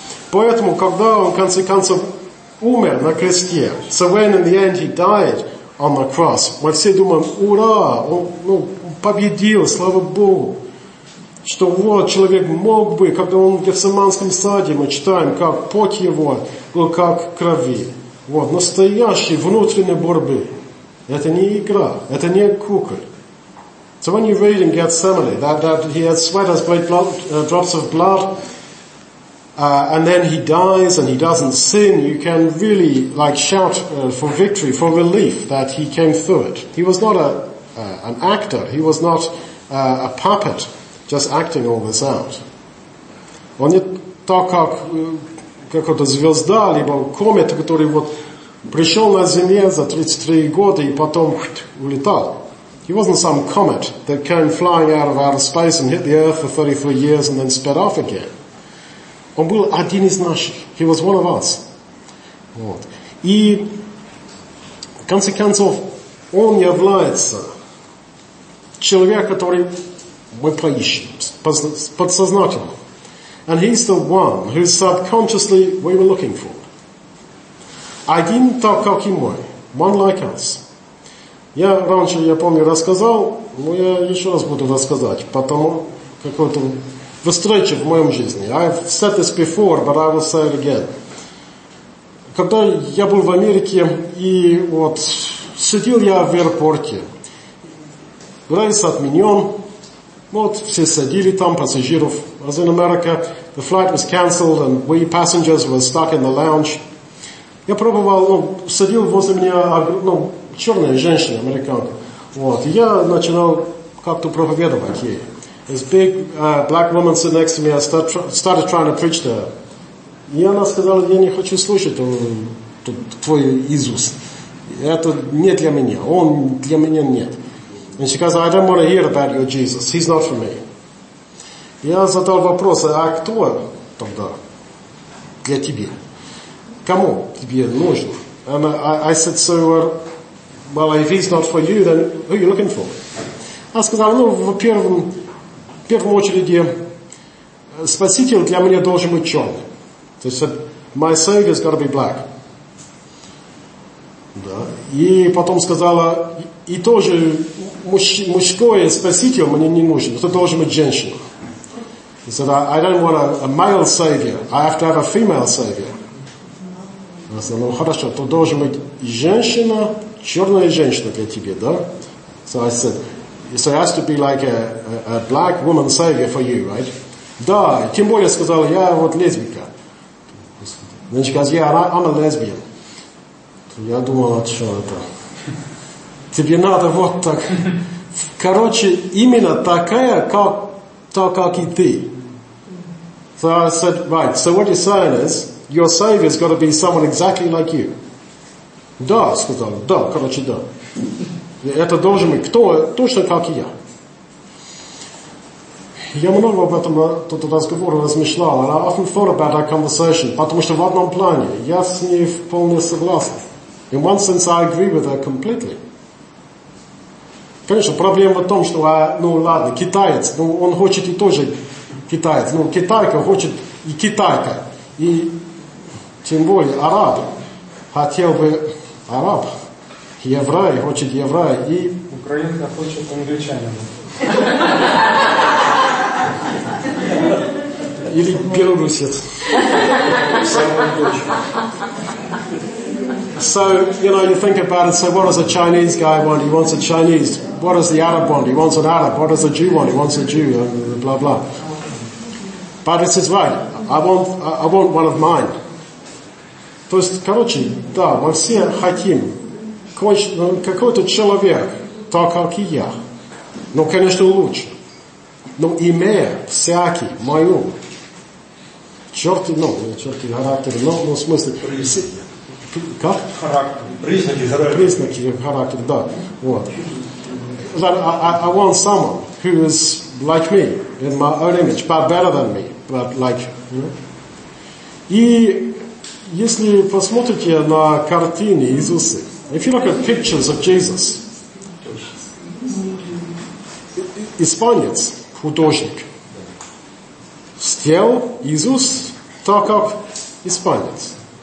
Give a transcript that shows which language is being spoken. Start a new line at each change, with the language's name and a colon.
Russian: Поэтому, когда он, в конце концов, умер на кресте,
English: so when in the end he died on the cross,
Russian: мы все думаем, ура, он победил, слава Богу. Что вот человек мог бы, когда он в Гефсиманском саде, мы читаем, как пот его был как крови. Вот, настоящие внутренние борьбы. Это не игра, это не кукла.
English: So when you read in Gethsemane that he had sweat as great drops of blood, and then he dies and he doesn't sin, you can really like shout for victory, for relief that he came through it. He was not an actor, he was not a puppet. Just acting all this out.
Russian: Он не так, как какая-то звезда, либо комета, который вот пришел на Земле за 33 года и потом улетал.
English: He wasn't some comet that came flying out of outer space and hit the Earth for 33 years and then sped off again.
Russian: Он был один из наших.
English: He was one of us.
Russian: Вот. И в конце концов, он является человеком, который мы поищем подсознательно.
English: And he's the one who subconsciously we were looking for.
Russian: Один так, как и мой.
English: One like us.
Russian: Я раньше, я помню, рассказал, но я еще раз буду рассказать, потому какой-то встреча в моем жизни.
English: I've said this before, but I will say it again.
Russian: Когда я был в Америке, и вот сидел я в аэропорте, рейс отменен, вот, все садили там, пассажиров.
English: As in America, the flight was cancelled and we passengers were stuck in the lounge.
Russian: Я пробовал, садил возле меня, черная женщина, американка. Вот, я начинал как-то проповедовать ей.
English: This big black woman sitting next to me, I started trying to preach to her.
Russian: И она сказала, я не хочу слушать твой Иисус. Это не для меня, он для меня нет.
English: And she goes, I don't want to hear about your Jesus. He's not for me.
Russian: Я задал вопрос, а кто тогда? для тебя. Кому тебе нужно?
English: And I said, so, well, if he's not for you, then who are you looking for?
Russian: Она сказала, ну, в первую очередь, спаситель для меня должен быть черный.
English: She said, my savior's got to be black.
Russian: Да. И потом сказала, и тоже мужское спаситель мне не нужен, это должен быть женщина.
English: He said, I don't want a male savior, I have to have a female savior.
Russian: Она сказала, ну хорошо, то должен быть женщина, черная женщина для тебя, да?
English: So I said, so it has to be like a black woman savior for you, right?
Russian: Да, тем более сказала, я вот лесбика.
English: Then she goes, yeah, I'm a lesbian.
Russian: Я думал, а что это? Тебе надо вот так. Короче, именно такая, как то, как и ты.
English: So I said, right, so what you're saying is, your savior's got to be someone exactly like you.
Russian: Да, сказал, да, короче, да. Это должен быть кто, точно как и я. Я много об этом тут разговоре размышлял,
English: and I often thought about that conversation,
Russian: потому что в одном плане я с ней полностью согласен.
English: In one sense, I agree with her completely.
Russian: Конечно, проблема в том, что, ну ладно, китаец, ну он хочет и тоже китаец, ну китайка хочет и китайка, и тем более араб хотел бы араб, еврей хочет еврей, и... Украинка хочет англичанина. Или белорусец.
English: So, you know, you think about it, so what does a Chinese guy want? He wants a Chinese. What does the Arab want? He wants an Arab. What does a Jew want? He wants a Jew, blah, blah. But it's his right. I want one of mine.
Russian: То есть, короче, да, мы все хотим какой-то человек, так как и я. Ну, конечно, лучше. Но имея всякий, мою. Черт, характер, но в смысле... Как? Признаки характера, да. Вот.
English: That I want someone who is like me, in my own image, but better than me, but like...
Russian: И если посмотрите на картины Иисуса,
English: if you look at pictures of Jesus,
Russian: испанец, художник, сделал Иисус так, как испанец.